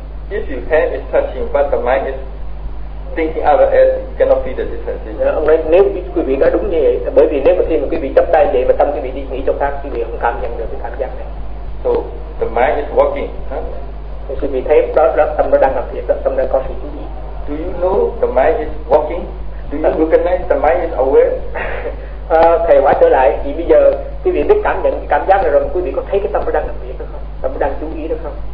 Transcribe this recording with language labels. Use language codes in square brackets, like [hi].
[en] If your hand is touching, but the mind is thinking other as, it cannot be the sensation. [vi] Nếu quý vị nói đúng như vậy, bởi vì nếu mà khi mà quý vị chấp tay vậy mà tâm quý vị đi nghĩ cho khác, quý vị không cảm nhận được cái cảm giác này. [en] So the mind is working. [vi] Quý vị thấy đó là tâm nó đang làm việc, tâm đang có sự chú ý. [en] Do you know the mind is working? Do you recognize the mind is aware? [vi] Thầy quay trở lại thì bây giờ quý vị biết cảm nhận cái cảm giác này rồi, quý vị có thấy cái tâm nó đang làm việc được không? Tâm nó đang chú ý được không?